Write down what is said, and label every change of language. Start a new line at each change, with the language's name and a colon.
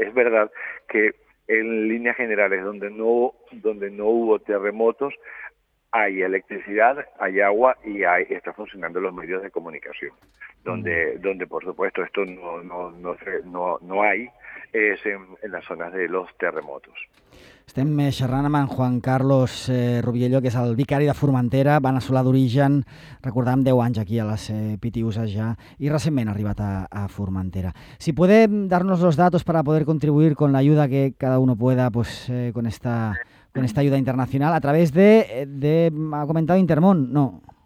Spanish: Es verdad que en líneas generales, donde no hubo terremotos, hay electricidad, hay agua y está funcionando los medios de comunicación. Donde por supuesto esto no hay es en las zonas de los terremotos.
Catalan: Estem xerrant amb en Juan Carlos Rubiello, que és el vicari de Formentera, veneçolà d'origen, recordem, 10 anys aquí a les Pitiusas ja, i recentment ha arribat a Formentera.
Spanish: Si podem darnos los datos para poder contribuir con la ayuda que cada uno pueda, pues con esta ayuda internacional, a través de ha comentado Intermón, no.